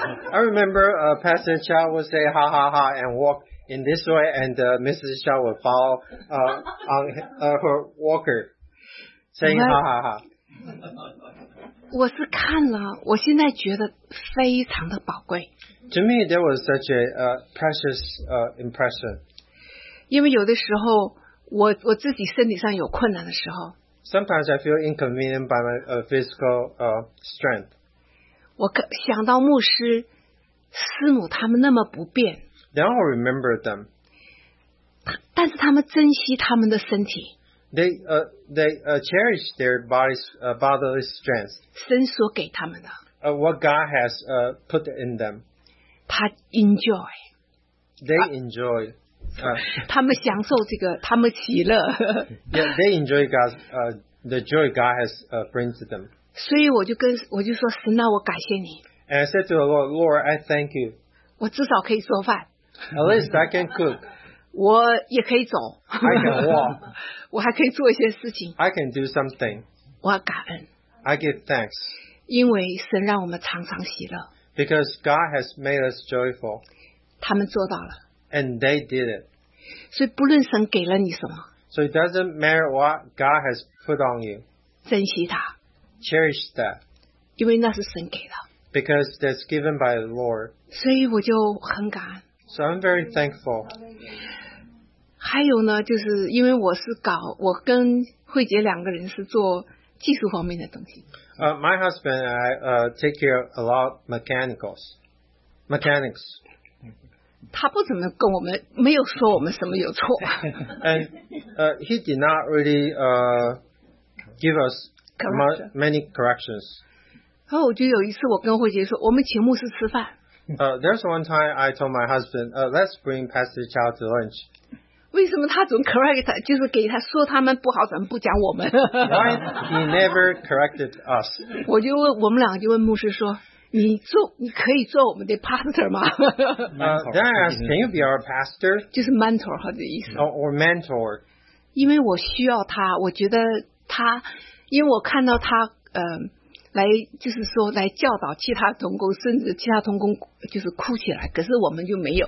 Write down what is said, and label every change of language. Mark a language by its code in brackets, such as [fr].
[en] I remember Pastor Chow would say, ha ha ha, and walk in this way, and Mrs. Chow would follow on her walker, saying, ha ha ha. [zh] 我是看了，我现在觉得非常的宝贵。 [en] To me, that was such a precious impression. [zh] 因为有的时候我自己身体上有困难的时候。 [en] Sometimes I feel inconvenient by my physical strength. [zh] 我想到牧师、师母他们那么不便。 [en] Then I remember them. [zh] 但是他们珍惜他们的身体。 [en] They cherish their body's bodily strength. [zh] 神所给他们的。 [en] What God has put in them. [zh] 他 enjoy, [en] they enjoy, [zh] 他们享受这个，他们喜乐。 [en] Yeah, they enjoy God's the joy God has brings to them. [zh] 所以我就说神啊，我感谢你。 [en] And I said to the Lord, Lord, I thank you. [zh] 我至少可以做饭。 [en] At least I can cook. [zh] 我也可以走。 [en] I can walk. [zh] 我还可以做一些事情。 [en] I can do something. [zh] 我感恩。 [en] I give thanks. [zh] 因为神让我们常常喜乐。 [en] Because God has made us joyful. [zh] 他们做到了。 [en] And they did it. [zh] 所以不论神给了你什么。 [en] So it doesn't matter what God has put on you. [zh] 珍惜他。 [en] Cherish that. [zh] 因为那是神给的。 [en] Because that's given by the Lord. [zh] 所以我就很感恩。 [en] So I'm very thankful. [zh] 还有呢，就是因为我是搞，我跟慧杰两个人是做技术方面的东西。 [en] My husband and I take care of a lot mechanics. [zh] 他不怎么跟我们，没有说我们什么有错。 [en] And he did not really give us many corrections. [zh] 然后我就有一次，我跟慧杰说，我们请牧师吃饭。 [en] There's one time I told my husband, let's bring Pastor Chow to lunch. [zh] 为什么他总 correct 他，就是给他说他们不好，怎么不讲我们？ [en] Why he never corrected us? [zh] 我就问，我们两个就问牧师说，你做，你可以做我们的 pastor 吗？ [en] Then I asked, can you be our pastor? [zh] 就是 mentor 好的意思。 [en] Or mentor. [zh] 因为我需要他，我觉得他，因为我看到他，来就是说来教导其他同工，甚至其他同工就是哭起来，可是我们就没有。